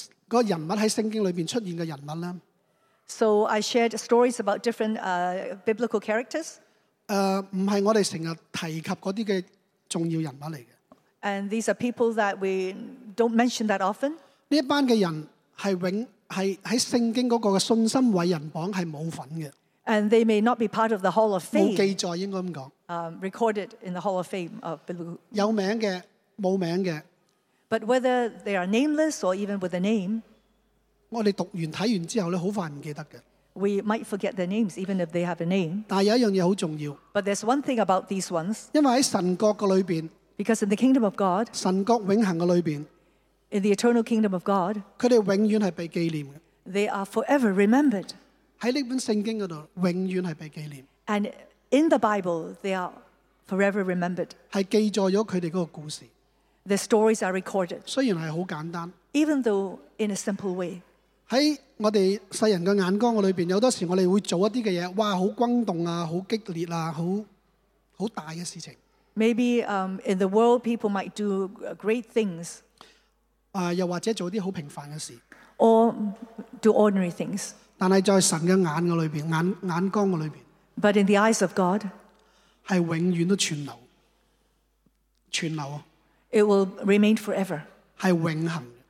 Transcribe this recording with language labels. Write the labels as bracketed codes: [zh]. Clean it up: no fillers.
[zh] 今天想分享每一个人物在圣经里面出现的人物呢, [en] so I shared stories about different biblical characters. [zh] 不是我们经常提及的重要人物来的, [en] and these are people that we don't mention that often. [zh] 这班人是在圣经的信心伟人榜是没有份的, [en] and they may not be part of the Hall of Fame. [zh] 没记载, 应该这么说, [en] recorded in the Hall of Fame of biblical. [zh] 有名的, 没名的, [en] but whether they are nameless or even with a name, [zh] 我们读完, 看完之后, 很快忘记的, [en] we might forget their names even if they have a name. [zh] 但有一样东西很重要, [en] but there's one thing about these ones. [zh] 因为在神国里面, [en] because in the kingdom of God, [zh] 神国永恒里面, [en] in the eternal kingdom of God, they are forever remembered. [zh] 在这本圣经里面, [en] and in the Bible, they are forever remembered. [zh] 是记载了他们的故事, [en] the stories are recorded. [zh] 虽然是很简单, [en] even though in a simple way. [zh] 在我们世人的眼光里面, 有时候我们会做一些事, 哇, 很轰动啊, 很激烈啊, 很大的事情, [en] maybe in the world, people might do great things. [zh] 又或者做一些很平凡的事, [en] or do ordinary things. [zh] 但是在神的眼里面, 眼光里面, [en] but in the eyes of God, [zh] 是永远都存留, 存留, [en] it will remain forever. [zh] 是永恒,